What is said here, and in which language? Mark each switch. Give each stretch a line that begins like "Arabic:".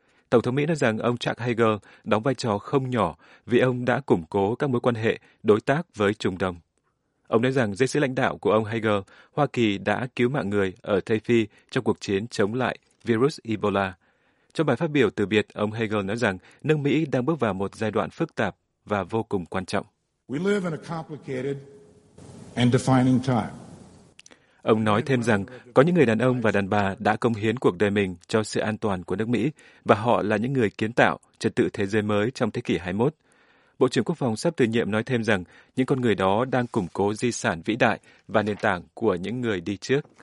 Vietnamese: Tổng thống Mỹ nói rằng ông Chuck Hagel đóng vai trò không nhỏ vì ông đã củng cố các mối quan hệ đối tác với Trung Đông. Ông nói rằng dưới sự lãnh đạo của ông Hagel, Hoa Kỳ đã cứu mạng người ở Tây Phi trong cuộc chiến chống lại virus Ebola. Trong bài phát biểu từ biệt, ông Hagel nói rằng nước Mỹ đang bước vào một giai đoạn phức tạp và vô cùng quan trọng.
English: We live in a complicated and defining time.
Vietnamese: Ông nói thêm rằng có những người đàn ông và đàn bà đã cống hiến cuộc đời mình cho sự an toàn của nước Mỹ và họ là những người kiến tạo trật tự thế giới mới trong thế kỷ 21. Bộ trưởng Quốc phòng sắp từ nhiệm nói thêm rằng những con người đó đang củng cố di sản vĩ đại và nền tảng của những người đi trước.